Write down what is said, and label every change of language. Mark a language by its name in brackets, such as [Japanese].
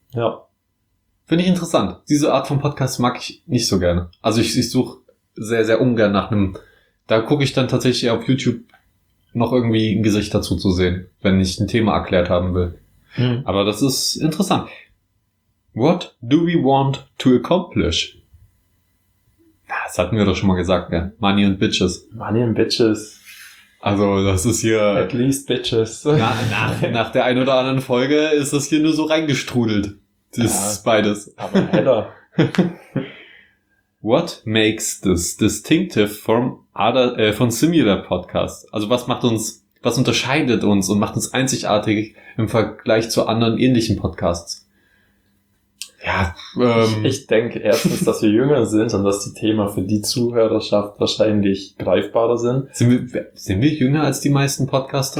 [German] Ja. Finde ich interessant. Diese Art von Podcast mag ich nicht so gerne. Also ich suche sehr, sehr ungern nach einem. Da gucke ich dann tatsächlich eher auf YouTube noch irgendwie ein Gesicht dazu zu sehen, wenn ich ein Thema erklärt haben will. Mhm. Aber das ist interessant. [English] What do we want to accomplish? [German] Das hatten wir doch schon mal gesagt, ja. [English] Money and Bitches. Money and Bitches. [German] Also das ist hier... [English] At least Bitches. [German] Nach der ein oder anderen Folge ist das hier nur so reingestrudelt. Das ist beides. Aber heller. [English] What makes this distinctive from other, von similar podcasts? [German] Also was macht uns, was unterscheidet uns und macht uns einzigartig im Vergleich zu anderen ähnlichen Podcasts? Ja, ich denke erstens, dass wir jünger sind und dass die Themen für die Zuhörerschaft wahrscheinlich greifbarer sind. Sind wir jünger als die meisten Podcaster?